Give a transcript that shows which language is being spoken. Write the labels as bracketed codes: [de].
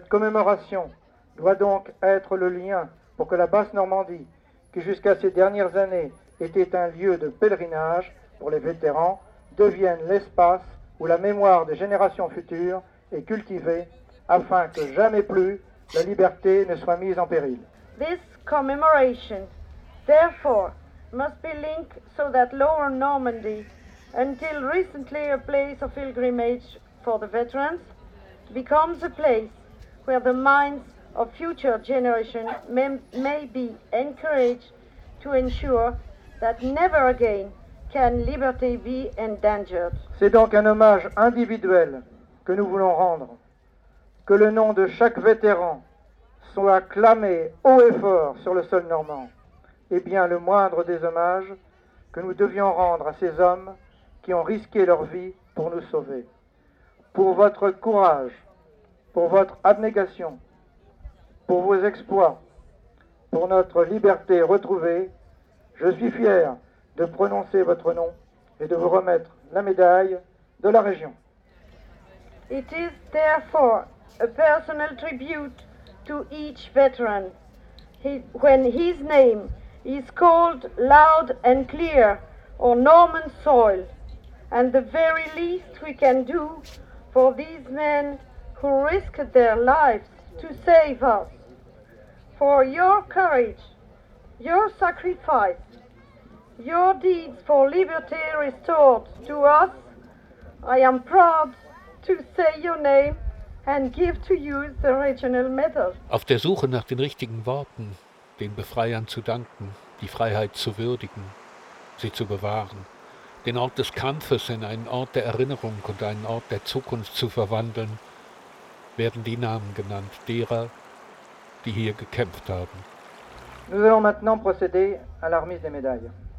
[fr] Cette commémoration doit donc être le lien pour que la Basse-Normandie, qui jusqu'à ces dernières années était un lieu de pèlerinage pour les vétérans, devienne l'espace où la mémoire des générations futures est cultivée afin que jamais plus la liberté ne soit mise en péril. [en] This commemoration, therefore, must be linked so that Lower Normandy, until recently a place of pilgrimage for the veterans, becomes a place where the minds of future generations may be encouraged to ensure that never again can liberty be endangered. [fr] C'est donc un hommage individuel que nous voulons rendre. Que le nom de chaque vétéran soit clamé haut et fort sur le sol normand. Et bien le moindre des hommages que nous devions rendre à ces hommes qui ont risqué leur vie pour nous sauver. Pour votre courage, pour votre abnégation, pour vos exploits, pour notre liberté retrouvée, je suis fier de prononcer votre nom et de vous remettre la médaille de la région. [en] It is therefore a personal tribute to each veteran when his name is called loud and clear on Norman soil, and the very least we can do for these men who risked their lives to save us. For your courage, your sacrifice, your deeds for liberty restored to us, I am proud to say your name and give to you the regional medal. [de] Auf der Suche nach den richtigen Worten, den Befreiern zu danken, die Freiheit zu würdigen, sie zu bewahren, den Ort des Kampfes in einen Ort der Erinnerung und einen Ort der Zukunft zu verwandeln, werden die Namen genannt derer, die hier gekämpft haben. [fr] Nous allons maintenant procéder à la remise des médailles.